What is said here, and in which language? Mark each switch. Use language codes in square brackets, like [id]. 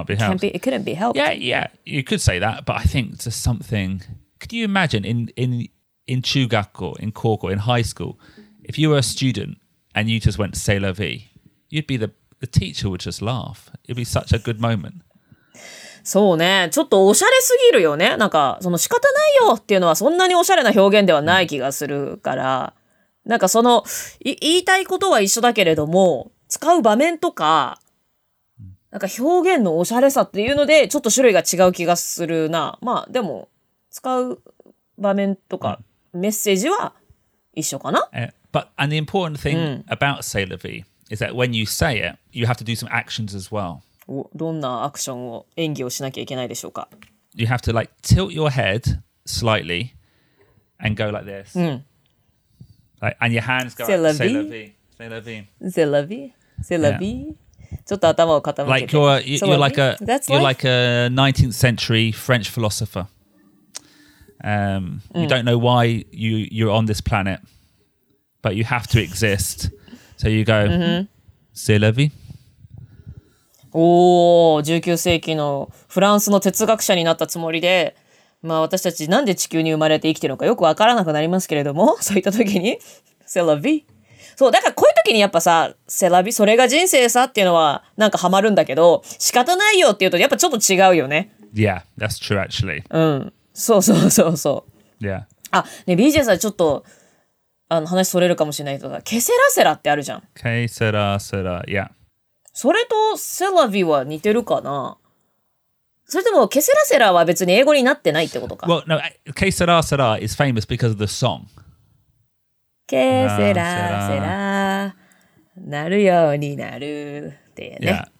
[en] Can't be helped. It couldn't be helped. Yeah, yeah. You could say that, but I think there's something. Could you imagine in 中学校, in 高校, in high school, if you were a student and you just went c'est la vie, you'd be the teacher would just laugh. It'd be such a good moment. [ja] そうね。ちょっとおしゃれすぎるよね。なんかその仕方ないよっていうのはそんなにおしゃれな表現ではない気がするから、なんかその言いたいことは一緒だけれども。使う場面とか、なんか表現のおしゃれさっていうので、ちょっと種類が違う気がするな。まあでも、使う場面とかメッセージは一緒かな。 [en] But an important thing about c'est la vie is that when you say it, you have to do some actions as well. [ja] どんなアクションを演技をしなきゃいけないでしょうか。 [en] You have to like tilt your head slightly and go like this. Like, and your hands go. [fr] C'est la vie. C'est la vie. C'est la vie. C'est la vie. [ja] ちょっと頭を傾けて。 [en] Like you're like a nineteenth century French philosopher. You don't know why you're on this planet, but you have to exist. So you go. C'est la vie. [ja] おお、19世紀のフランスの哲学者になったつもりで、まあ私たちなんで地球に生まれて生きてるのかよくわからなくなりますけれども、そういった時に、セラビ。そう、だからこういう時にやっぱさ、セラビ、それが人生さっていうのはなんかハマるんだけど、仕方ないよっていうとやっぱちょっと違うよね。 [en] Yeah, that's true actually. [ja] うん。そうそうそうそう。 [en] Yeah. [ja] あ、ね、BJ さんちょっと、あの話それるかもしれないけどさ、ケセラセラってあるじゃん。ケセラセラ、いや。それとセラビは似てるかな。それともケセラセラは別に英語になってないってことか。 [en] Well, no, ケセラセラ is famous because of the song. [ja] ケセラセラなるようになるってね。